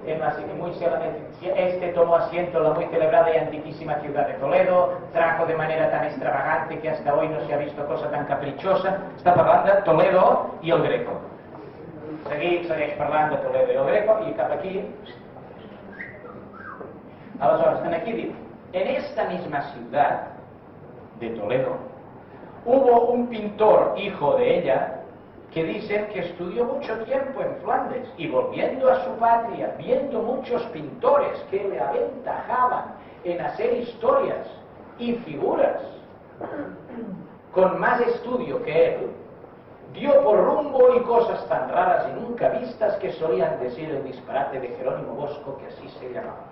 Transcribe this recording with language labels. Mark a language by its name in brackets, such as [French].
[Spanish] Este tomó asiento en la muy celebrada y antiquísima ciudad de Toledo, trajo de manera tan extravagante que hasta hoy no se ha visto cosa tan caprichosa. [Catalan] Està parlant de Toledo i el Greco. Segueix parlant de Toledo i el Greco, i cap aquí. Aleshores, aquí diu, [Spanish] en esta misma ciudad de Toledo, hubo un pintor hijo de ella, que dicen que estudió mucho tiempo en Flandes y volviendo a su patria, viendo muchos pintores que le aventajaban en hacer historias y figuras con más estudio que él, dio por rumbo y cosas tan raras y nunca vistas que solían decir el disparate de Jerónimo Bosco, que así se llamaba.